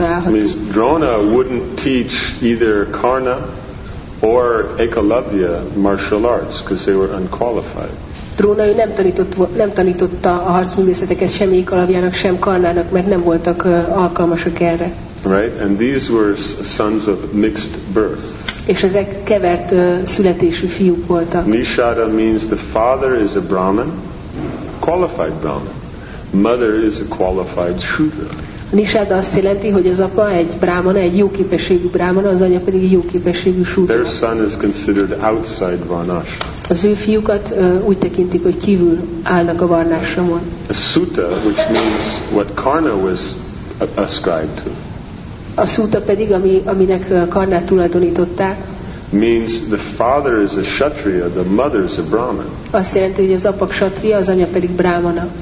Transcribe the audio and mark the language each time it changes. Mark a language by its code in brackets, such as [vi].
[en] Means Drona wouldn't teach either Karna or Ekalavya martial arts because they were unqualified. [hu] Drona ő nem tanította a harcművészeteket sem Ékalavjának, sem Karnának, mert nem voltak alkalmasak erre. [en] Right, and these were sons of mixed birth. [hu] És ezek kevert születésű fiúk voltak. [en] Nishada means the father is a Brahmin, qualified Brahmin. Mother is a qualified Shudra. [hu] Nishada azt jelenti, hogy az apa egy Brahmana, egy jóképességű Brahmana, az anya pedig egy jóképességű Shudra. [en] Their son is considered outside Varnashram. [hu] Az ő fiúkat úgy tekintik, hogy kívül állnak a Varnashramon. [en] A Sutta, which means what Karna was ascribed to. [hu] A Sutta pedig, aminek Karnát tulajdonították. [en] Means the father is a Kshatriya, the mother is a Brahmin. [hu] Azt jelenti, hogy az apa Kshatriya, az anya pedig Brahmana.